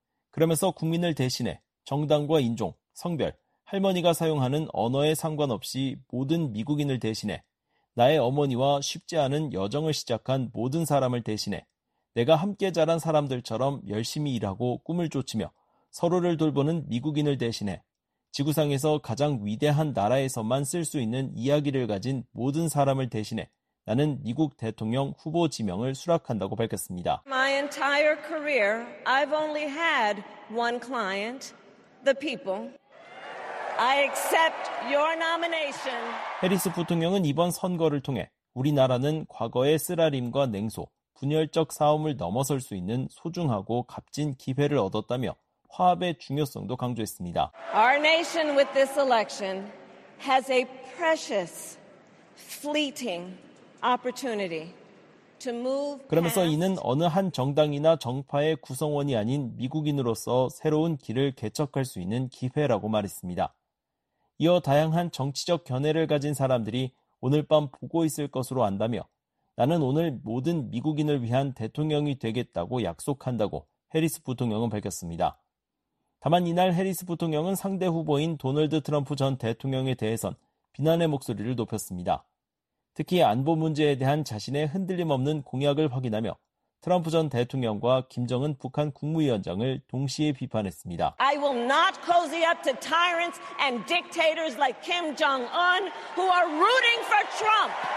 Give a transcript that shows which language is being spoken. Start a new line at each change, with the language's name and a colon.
Korean: 그러면서 국민을 대신해 정당과 인종, 성별, 할머니가 사용하는 언어에 상관없이 모든 미국인을 대신해 나의 어머니와 쉽지 않은 여정을 시작한 모든 사람을 대신해 내가 함께 자란 사람들처럼 열심히 일하고 꿈을 쫓으며 서로를 돌보는 미국인을 대신해 지구상에서 가장 위대한 나라에서만 쓸 수 있는 이야기를 가진 모든 사람을 대신해 나는 미국 대통령 후보 지명을 수락한다고 밝혔습니다.
English: My entire career, I've only had one client, the people. I accept your nomination.
Korean: 해리스 부통령은 이번 선거를 통해 우리나라는 과거의 쓰라림과 냉소, 분열적 싸움을 넘어설 수 있는 소중하고 값진 기회를 얻었다며 화합의 중요성도 강조했습니다.
English: Our nation with this election has a precious, fleeting opportunity to move.
Korean: 그러면서 이는 어느 한 정당이나 정파의 구성원이 아닌 미국인으로서 새로운 길을 개척할 수 있는 기회라고 말했습니다. 이어 다양한 정치적 견해를 가진 사람들이 오늘 밤 보고 있을 것으로 안다며 나는 오늘 모든 미국인을 위한 대통령이 되겠다고 약속한다고 해리스 부통령은 밝혔습니다. 다만 이날 해리스 부통령은 상대 후보인 도널드 트럼프 전 대통령에 대해선 비난의 목소리를 높였습니다. 특히 안보 문제에 대한 자신의 흔들림 없는 공약을 확인하며 트럼프 전 대통령과 김정은 북한 국무위원장을 동시에 비판했습니다.
English: I will not cozy up to tyrants and dictators like Kim Jong-un who are rooting for Trump.